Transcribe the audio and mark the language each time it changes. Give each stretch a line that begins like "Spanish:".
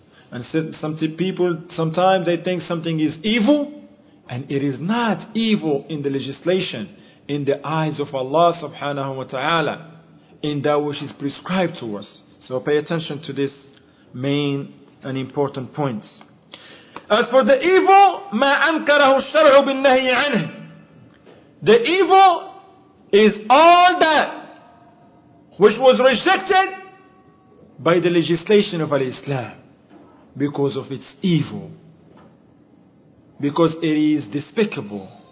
English: And sometimes they think something is evil, and it is not evil in the legislation, in the eyes of Allah subhanahu wa ta'ala, in that which is prescribed to us. So pay attention to this main and important points. As for the evil,
Arabic: ما أنكره الشرع بالنهي عنه.
English: The evil is all that which was rejected by the legislation of Al-Islam because of its evil, because it is despicable.